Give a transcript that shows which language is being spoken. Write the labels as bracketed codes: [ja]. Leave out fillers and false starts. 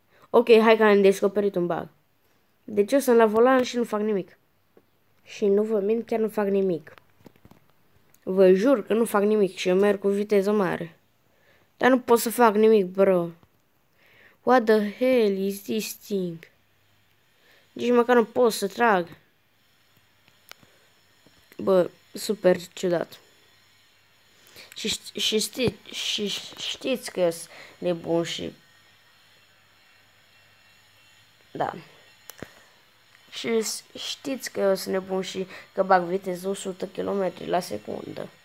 [ro] Ok, hai că am descoperit un bug. Deci eu sunt la volan și nu fac nimic. Și nu vă mint, chiar nu fac nimic. Vă jur că nu fac nimic și eu merg cu viteză mare. Dar nu pot să fac nimic, bro. [en] What the hell is this thing? [ro] Nici măcar nu pot să trag. Bă, super ciudat. Și știți că e nebun și... Da. Și știți că eu sunt nebun și că bag viteză 100 km la secundă.